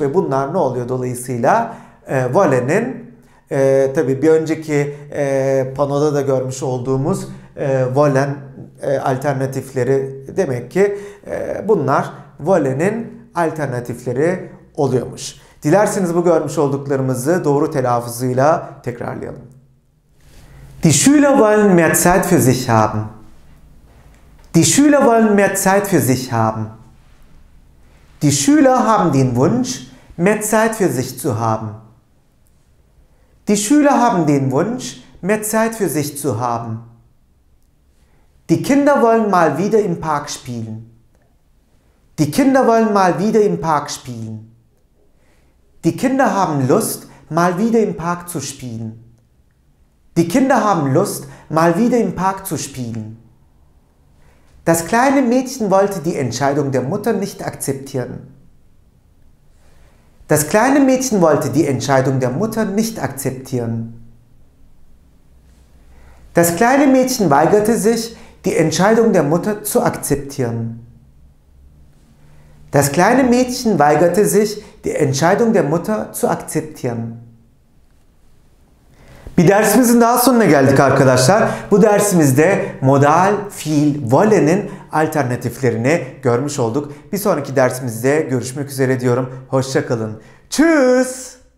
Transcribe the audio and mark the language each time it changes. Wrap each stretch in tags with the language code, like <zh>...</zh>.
<tr>Ve bunlar ne oluyor dolayısıyla? Wollen'in, tabii bir önceki panoda da görmüş olduğumuz wollen alternatifleri demek ki bunlar wollen'in alternatifleri oluyormuş. Dilerseniz bu görmüş olduklarımızı doğru telaffuzuyla tekrarlayalım.</tr> <de>Die Schüler wollen mehr Zeit für sich haben. Die Schüler wollen mehr Zeit für sich haben. Die Schüler haben den Wunsch, mehr Zeit für sich zu haben. Die Schüler haben den Wunsch, mehr Zeit für sich zu haben. Die Kinder wollen mal wieder im Park spielen. Die Kinder wollen mal wieder im Park spielen. Die Kinder haben Lust, mal wieder im Park zu spielen. Die Kinder haben Lust, mal wieder im Park zu spielen. Das kleine Mädchen wollte die Entscheidung der Mutter nicht akzeptieren. Das kleine Mädchen wollte die Entscheidung der Mutter nicht akzeptieren. Das kleine Mädchen weigerte sich, die Entscheidung der Mutter zu akzeptieren. Das kleine Mädchen weigerte sich, die Entscheidung der Mutter zu akzeptieren.</de> <tr>Bir dersimizin daha sonuna geldik arkadaşlar. Bu dersimizde modal fiil wollen'in alternatiflerini görmüş olduk. Bir sonraki dersimizde görüşmek üzere diyorum. Hoşça kalın. Tschüss.</tr>